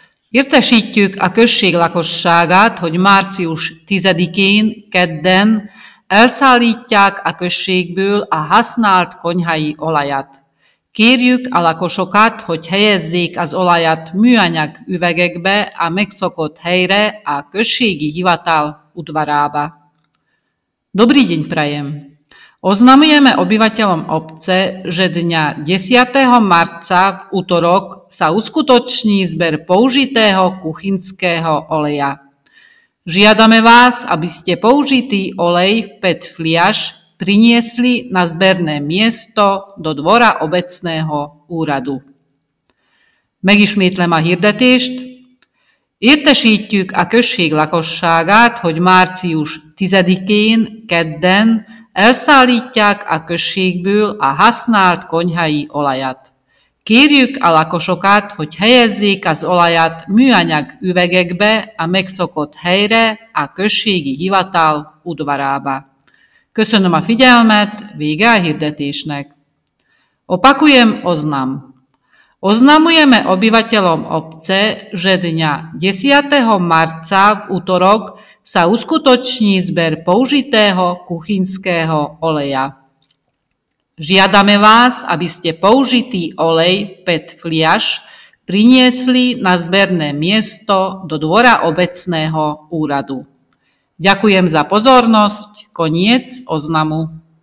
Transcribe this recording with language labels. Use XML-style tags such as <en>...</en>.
<hu>Értesítjük a község lakosságát, hogy március 10-én, kedden elszállítják a községből a használt konyhai olajat. Kérjük a lakosokat, hogy helyezzék az olajat műanyag üvegekbe a megszokott helyre a községi hivatal udvarába.</hu> <sk>Dobrý deň prajem! Oznamujeme obyvateľom obce, že dňa 10. marca v utorok sa uskutoční zber použitého kuchynského oleja. Žiadame vás, aby ste použitý olej v PET fliaš priniesli na zberné miesto do dvora obecného úradu.</sk> <hu>Megismétlem a hirdetést. Értesítjük a község lakosságát, hogy március 10-én, kedden elszállítják a községből a használt konyhai olajat. Kérjük a lakosokat, hogy helyezzék az olajat műanyag üvegekbe a megszokott helyre a községi hivatal udvarába. Köszönöm a figyelmet, vége a hirdetésnek.</hu> <sk>Opakujem oznam. Oznamujeme obyvateľom obce, že dňa 10. marca v utorok sa uskutoční zber použitého kuchynského oleja. Žiadame vás, aby ste použitý olej v PET fliaš priniesli na zberné miesto do dvora obecného úradu. Ďakujem za pozornosť. Koniec oznamu.</sk>